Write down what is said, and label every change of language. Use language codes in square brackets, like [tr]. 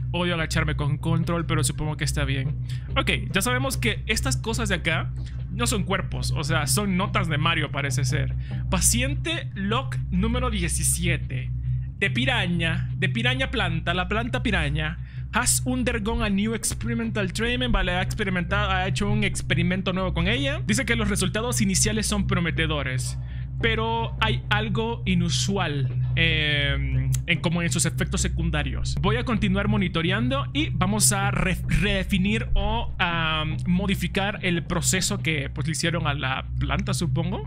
[es] Odio agacharme con control, pero supongo que está bien. Ok, ya sabemos que estas cosas de acá no son cuerpos, o sea, son notas de Mario, parece ser. Paciente Lock número 17. De piraña planta, la planta piraña. [en] Has undergone a new experimental treatment. [es] Vale, ha hecho un experimento nuevo con ella. Dice que los resultados iniciales son prometedores, pero hay algo inusual en sus efectos secundarios. Voy a continuar monitoreando y vamos a redefinir o modificar el proceso que pues, le hicieron a la planta, supongo.